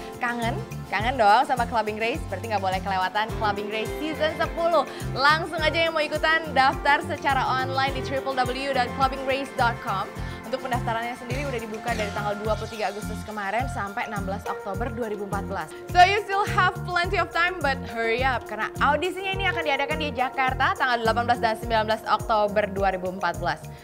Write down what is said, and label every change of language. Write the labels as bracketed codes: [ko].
[id] Kangen? Kangen dong sama Clubbing Race? Berarti gak boleh kelewatan Clubbing Race Season 10. Langsung aja yang mau ikutan, daftar secara online di www.clubbingrace.com. Untuk pendaftarannya sendiri udah dibuka dari tanggal 23 Agustus kemarin sampai 16 Oktober 2014. [en] So you still have plenty of time, but hurry up. [id] Karena audisinya ini akan diadakan di Jakarta tanggal 18 dan 19 Oktober 2014.